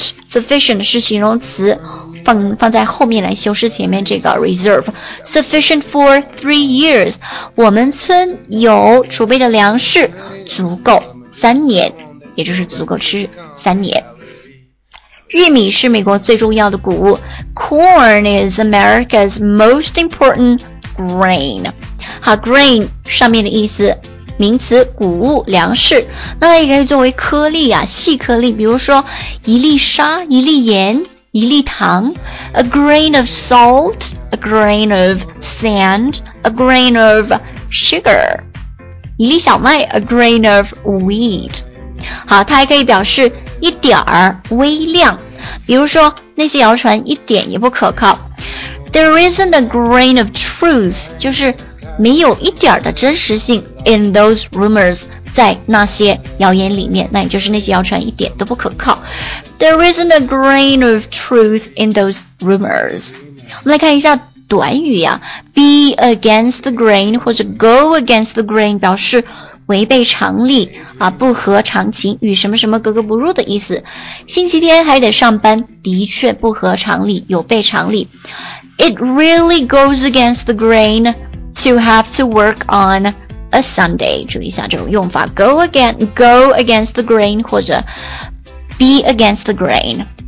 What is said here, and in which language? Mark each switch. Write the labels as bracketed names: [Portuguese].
[Chinese] sufficient 是形容词，放在后面来修饰前面这个 reserve。 [English] Sufficient for 3 years, [Chinese] 我们村有储备的粮食足够三年，也就是足够吃三年。玉米是美国最重要的谷物， [English] Corn is America's most important grain。 [Chinese] 好， grain 上面的意思名词谷物粮食，那也可以作为颗粒啊，细颗粒，比如说一粒沙，一粒盐，一粒糖， [English] a grain of salt, a grain of sand, a grain of sugar, [Chinese] 一粒小麦， [English] a grain of wheat。 [Chinese] 好，它还可以表示一点儿，微量，比如说那些谣传一点也不可靠， [English] there isn't a grain of truth, [Chinese] 就是没有一点儿的真实性 [English] in those rumors, [Chinese] 在那些谣言里面，那也就是那些谣传一点都不可靠。 [English] There isn't a grain of truth in those rumors. [Chinese] 我们来看一下短语啊， [English] be against the grain [Chinese] 或者 [English] go against the grain [Chinese] 表示违背常理啊，不合常情，与什么什么格格不入的意思。星期天还得上班，的确不合常理，有悖常理。 [English] It really goes against the grain to have to work onA Sunday, [Chinese] 注意一下这种用法， [English] go against the grain 或者 be against the grain。